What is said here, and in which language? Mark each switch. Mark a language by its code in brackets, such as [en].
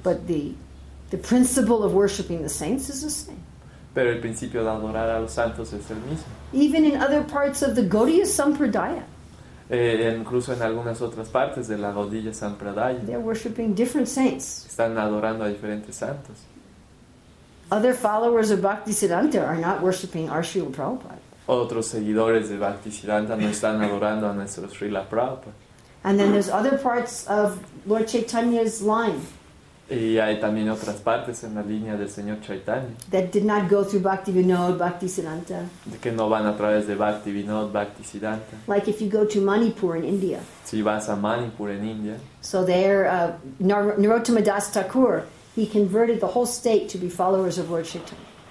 [en] But the principle of worshiping the saints is the same. [es] Pero el principio de adorar a los santos es el mismo. [en] Even in other parts of the Gaudiya Sampradaya. [es] Incluso en algunas otras partes de la Gaudiya Sampradaya. [en] They're worshiping different saints. [es] Están adorando a diferentes santos. [en] Other followers of Bhaktisiddhanta are not worshiping our Srila Prabhupada. [es] Otros seguidores de Bhaktisiddhanta no están adorando a nuestro Srila Prabhupada. [en] And then there's other parts of Lord Chaitanya's line. [es] Y hay también otras partes en la línea del Señor Chaitanya. [en] That did not go through Bhaktivinoda, Bhaktisiddhanta. [es] Que no van a través de Bhaktivinoda, Bhaktisiddhanta. [en] Like if you go to Manipur in India. [es] Si vas a Manipur en India. [en] So there, Narottama Das Thakur. He converted the whole state to be followers of Lord Chaitanya.